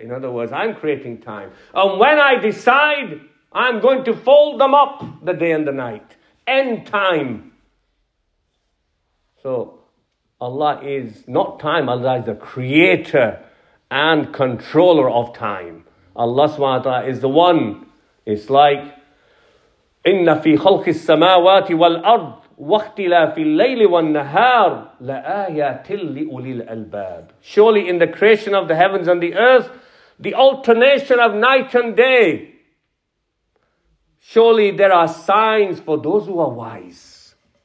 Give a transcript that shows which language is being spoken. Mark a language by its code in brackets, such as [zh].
[en] In other words, I'm creating time. And when I decide, I'm going to fold them up, the day and the night. End time. So Allah is not time. Allah is the creator and controller of time. Allah subhanahu wa ta'ala is the one. It's like, [ar] إِنَّ فِي خَلْقِ السَّمَاوَاتِ وَالْأَرْضِ وَاخْتِلَافِ اللَّيْلِ وَالنَّهَارِ لَآيَاتٍ لِأُولِي الْأَلْبَابِ. [en] Surely in the creation of the heavens and the earth, the alternation of night and day, surely there are signs for those who are wise.